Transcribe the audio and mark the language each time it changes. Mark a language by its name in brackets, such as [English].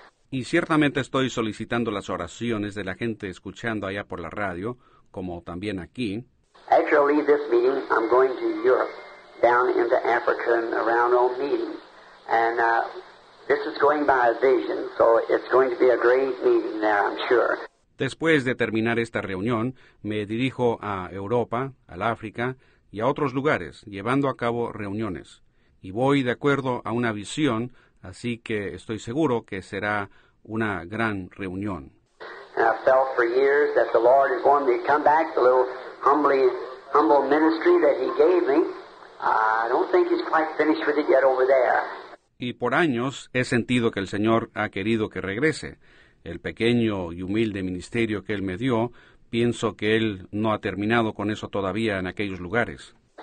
[Spanish] Y ciertamente estoy solicitando las oraciones de la gente escuchando allá por la radio, como también aquí. [English] Actually, this meeting, I'm going to Europe, down into Africa and around old meetings. And this is going by a vision, so it's going to be a great meeting there, I'm sure. [Spanish] Después de terminar esta reunión, me dirijo a Europa, al África y a otros lugares, llevando a cabo reuniones. Y voy de acuerdo a una visión, así que estoy seguro que será una gran reunión. [English] And I felt for years that the Lord is wanting me to come back, the little humble ministry that He gave me. I don't think He's quite finished with it yet over there. [Spanish] Y por años he sentido que el Señor ha querido que regrese. El pequeño y humilde ministerio que Él me dio, pienso que Él no ha terminado con eso todavía en aquellos lugares.